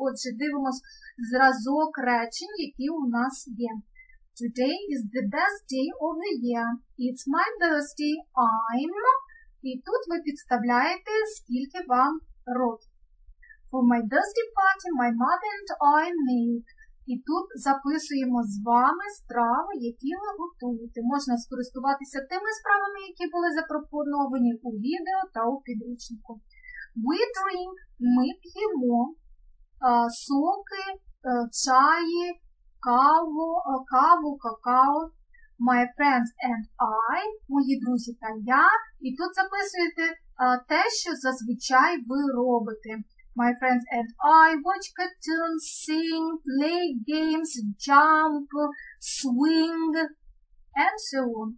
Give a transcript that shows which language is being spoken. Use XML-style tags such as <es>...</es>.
<uk>Отже, дивимось зразок речень, які у нас є.</uk> <en>Today is the best day of the year. It's my birthday. I'm...</en> <uk>І тут ви підставляєте, скільки вам років. For my birthday party, my mother and I make... І тут записуємо з вами страви, які ви готуєте. Можна скористуватися тими справами, які були запропоновані у відео та у підручнику.</uk> <en>We drink,</en> <uk>ми п'ємо соки, чаї, каву, какао.</uk> <en>My friends and I,</en> <uk>мої друзі та я. І тут записуєте те, що зазвичай ви робите.</uk> <en>My friends and I watch cartoons, sing, play games, jump, swing, and so on.</en>